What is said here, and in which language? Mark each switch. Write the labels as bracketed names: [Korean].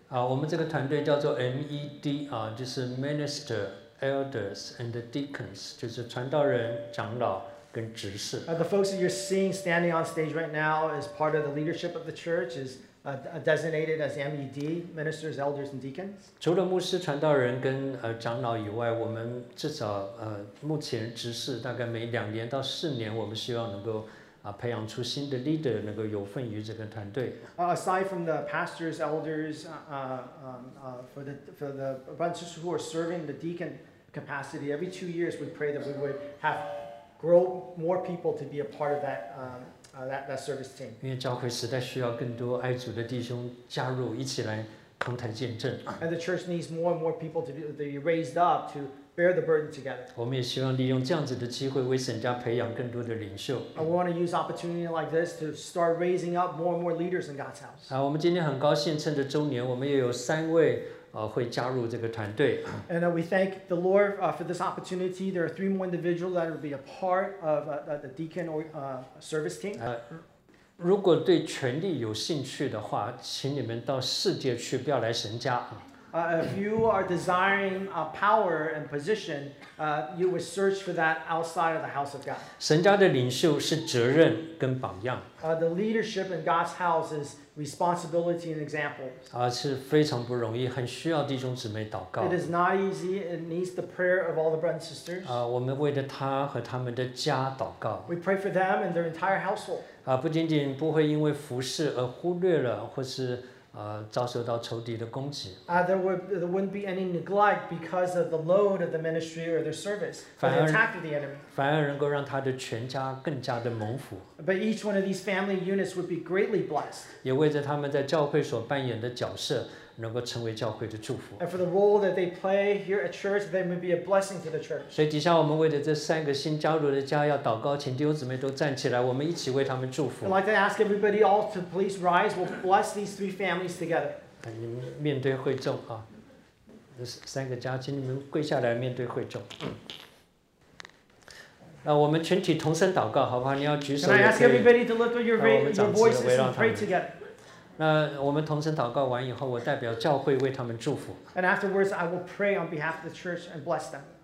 [Chinese] 我们这个团队叫做 MED, 就是 [English] Minister, Elders, and the Deacons, [Chinese] 就是传道人、长老跟执事。 [English] The folks that you're seeing standing on stage right now is part of the leadership of the church, isdesignated as MED, ministers, elders, and deacons. [Chinese] 除了牧师、传道人跟长老以外，我们至少目前执事大概每两年到四年，我们希望能够培养出新的 leader， 能够有份于这个团队。 [English] Aside from the pastors, elders, for the bunches who are serving the deacon capacity, every 2 years we pray that we would have grow more people to be a part of that. That service team. [Chinese] 因为教会实在需要更多爱主的弟兄加入，一起来同台见证。 [English] And the church needs more and more people to be raised up to bear the burden together. [Chinese] 我们也希望利用这样子的机会为神家培养更多的领袖。 [English] I want to use opportunity like this to start raising up more and more leaders in God's house. [Chinese] 我们今天很高兴趁着周年，我们也有三位会加入这个团队。 [English] And we thank the Lord for this opportunity. There are three more individuals that will be a part of the deacon or service team. [Chinese] 如果对权力有兴趣的话，请你们到世界去，不要来神家。 [English] If you are desiring a power and position, you would search for that outside of the house of God. [Chinese] 神家的领袖是责任跟榜样。 [English] The leadership in God's house is responsibility and examples. [Chinese] 是非常不容易，很需要弟兄姊妹祷告。 [English] It is not easy. It needs the prayer of all the brothers and sisters. [Chinese] 我们为着他和他们的家祷告。 [English] We pray for them and their entire household. [Chinese] 不仅仅不会因为服事而忽略了，或是遭受到仇敌的攻击。 [English] There wouldn't be any neglect because of the load of the ministry or their service, or the attack of the enemy. [Chinese] 反而能够让他的全家更加的蒙福。 [English] But each one of these family units would be greatly blessed. [Chinese] 也为着他们在教会所扮演的角色，能够成为教会的祝福。 [English] And for the role that they play here at church, they would be a blessing to the church. [Chinese] 所以底下我们为着这三个新加入的家要祷告，请弟兄姊妹都站起来，我们一起为他们祝福。 [English] I'd like to ask everybody all to please rise. We'll bless these three families together. [Chinese] 你们面对会众啊，这三个家，请你们跪下来面对会众。我们全体同声祷告，好不好？你要举手也可以。 [English] Can I ask everybody to lift up your voices and pray together? [Chinese] 我们同声祷告完以后，我代表教会为他们祝福。 [English] And afterwards, I will pray on behalf of the church and bless them.